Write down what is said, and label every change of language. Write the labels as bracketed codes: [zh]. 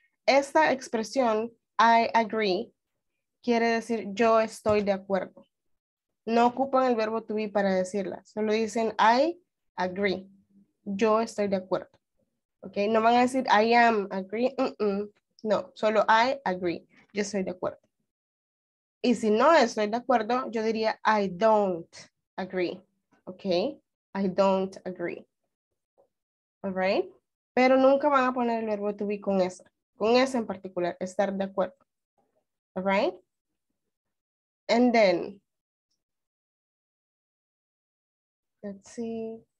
[es] Esta expresión, [en] I agree, [es] quiere decir yo estoy de acuerdo. No ocupan el verbo to be para decirla, solo dicen [en] I agree, [es] yo estoy de acuerdo. Okay, no van a decir [en] I am agree, [es] No, solo [en] I agree, [es] yo estoy de acuerdo. Y si no estoy de acuerdo, yo diría [en] I don't agree, okay? I don't agree, all right? [es] Pero nunca van a poner el verbo to be con esa en particular, estar de acuerdo, all right? [en] And then, let's see.